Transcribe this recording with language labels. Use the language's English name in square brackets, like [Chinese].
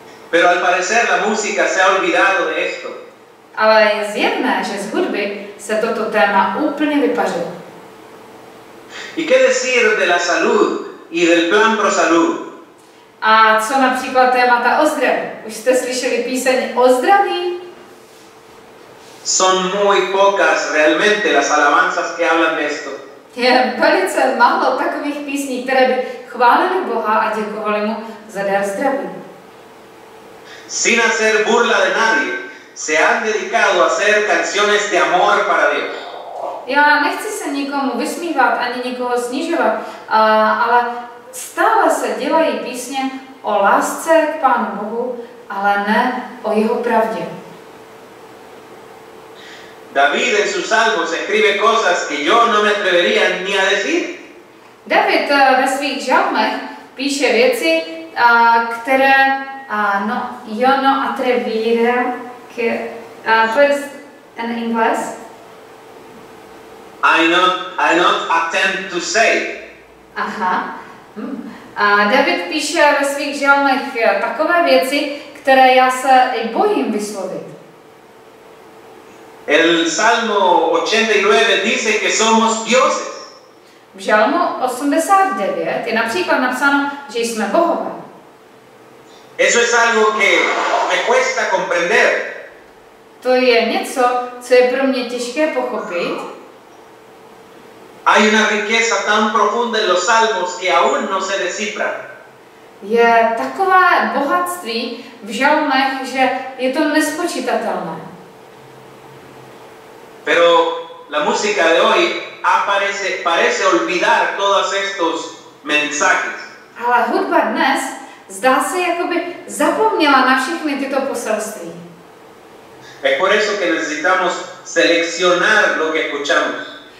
[Spanish] Pero al parecer la música se ha olvidado de esto. [Czech] Ale je zjevné, že z hudby se toto téma úplně vypařilo. [Spanish] ¿Y qué decir de la salud y del plan pro salud? [Czech] A co například témata o zdraví? Už jste slyšeli píseň o zdraví? [Spanish] Son muy pocas realmente las alabanzas que hablan de esto. [Czech] Je velice málo takových písní, které by chválili Boha a děkovali mu za dar zdraví. [Spanish] Sin hacer burla de nadie, se han dedicado a hacer canciones de amor para Dios. [Czech] Já nechci se nikomu vysmívat ani nikoho snižovat, ale stále se dělají písně o lásce k Pánu Bohu, ale ne o jeho pravdě. [Spanish] David en sus salmos escribe cosas que yo no me atrevería ni a decir. [Czech] David ve svých žalmech píše věci, které no, [Spanish] yo no atrevería que [English] first in English. I not attempt to say. Aha. [Czech] A David píše ve svých žalmech takové věci, které já se i bojím vyslovit. [Spanish] El Salmo 89 dice que somos dioses. [Czech] V Žalmu 89 je například napsáno, že jsme bohové. [Spanish] Eso es algo que me cuesta comprender. [Czech] To je něco, co je pro mě těžké pochopit. [Spanish] Hay una riqueza tan profunda en los salmos que aún no se descifra. [Czech] Je takové bohatství v žalmech, že je to nespočítatelné. [Spanish] Pero la música de hoy parece olvidar todos estos mensajes. [Czech] Ale hudba dnes zdá se, jakoby zapomněla na všechny tyto poselství. [Spanish] Es por eso que necesitamos seleccionar lo que escuchamos.